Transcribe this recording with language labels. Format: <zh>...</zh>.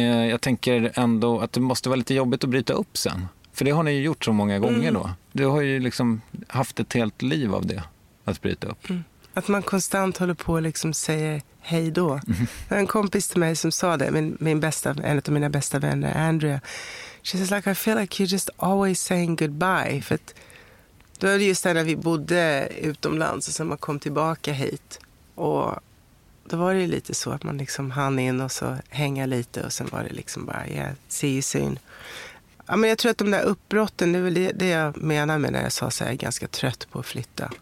<sv>Jag tänker ändå att det måste vara lite jobbigt att bryta upp sen. För det har ni ju gjort så många gånger då. Du har ju liksom haft ett helt liv av det, att bryta upp. Att man konstant håller på och liksom säger hej då. Mm. En kompis till mig som sa det, en av mina bästa vänner, Andrea.</sv> <en>She says like, I feel like you're just always saying goodbye.</en> <sv>För att då är det just där när vi bodde utomlands och sen man kom tillbaka hit. Och då var det lite så att man liksom hann in och så hänga lite och sen var det liksom bara,</sv> <en>yeah, see you soon.</en> <sv>Ja, men jag tror att de där uppbrotten, det är väl det jag menar med när jag sa så här, ganska trött på att flytta.</sv>